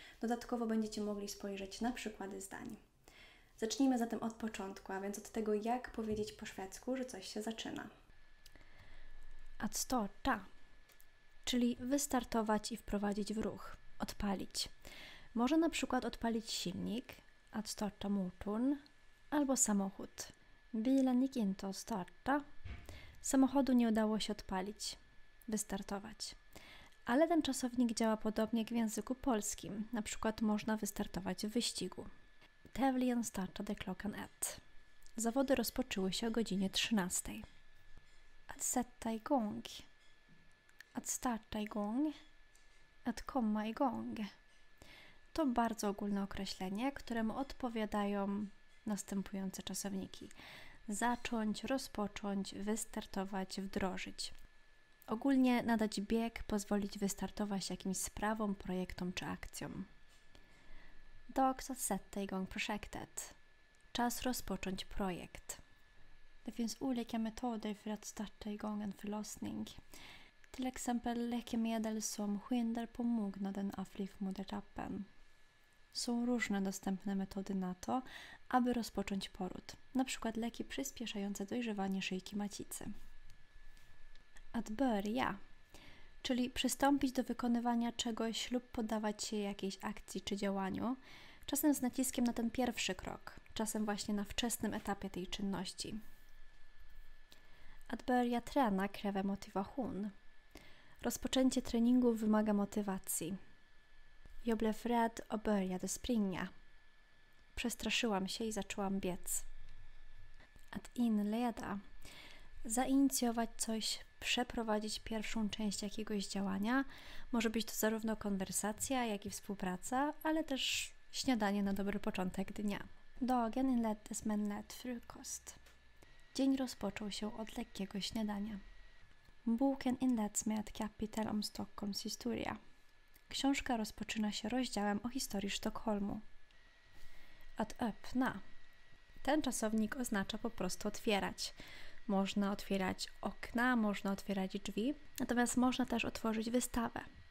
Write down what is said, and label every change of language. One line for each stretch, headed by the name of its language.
Polish: Dodatkowo będziecie mogli spojrzeć na przykłady zdań. Zacznijmy zatem od początku, a więc od tego, jak powiedzieć po szwedzku, że coś się zaczyna.
Swedish: Att starta,
Polish: czyli wystartować i wprowadzić w ruch, odpalić. Może na przykład odpalić silnik,
Swedish: att starta motorn,
Polish: albo samochód.
Swedish: Bilen gick inte att starta.
Polish: Samochodu nie udało się odpalić, wystartować. Ale ten czasownik działa podobnie jak w języku polskim. Na przykład można wystartować w wyścigu.
Swedish: Tävlingen startade klockan ett.
Polish: Zawody rozpoczęły się o godzinie 13.
Swedish: Att sätta igång. Att starta igång. Att komma igång.
Polish: To bardzo ogólne określenie, któremu odpowiadają następujące czasowniki. Zacząć, rozpocząć, wystartować, wdrożyć. Ogólnie nadać bieg, pozwolić wystartować jakimś sprawom, projektom czy akcjom.
Swedish: Dags att sätta igång projektet.
Polish: Czas rozpocząć projekt.
Swedish: Det finns olika metoder för att starta igång en förlossning. Till exempel läkemedel som skyndar på mognaden av livmodertappen.
Polish: Są różne dostępne metody na to, aby rozpocząć poród. Na przykład leki przyspieszające dojrzewanie szyjki macicy.
Swedish: Att börja,
Polish: czyli przystąpić do wykonywania czegoś lub poddawać się jakiejś akcji czy działaniu, czasem z naciskiem na ten pierwszy krok, czasem właśnie na wczesnym etapie tej czynności.
Swedish: Att börja träna kräver motivation.
Polish: Rozpoczęcie treningu wymaga motywacji.
Swedish: Jag blev rädd och började springa.
Polish: Przestraszyłam się i zaczęłam biec.
Swedish: Att inleda.
Polish: Zainicjować coś, przeprowadzić pierwszą część jakiegoś działania. Może być to zarówno konwersacja, jak i współpraca, ale też śniadanie na dobry początek dnia.
Swedish: Dagen inleddes med lätt frukost.
Polish: Dzień rozpoczął się od lekkiego śniadania.
Swedish: Boken inleds med kapitel om Stockholms historia.
Polish: Książka rozpoczyna się rozdziałem o historii Sztokholmu.
Swedish: Att öppna.
Polish: Ten czasownik oznacza po prostu otwierać. Można otwierać okna, można otwierać drzwi, natomiast można też otworzyć wystawę.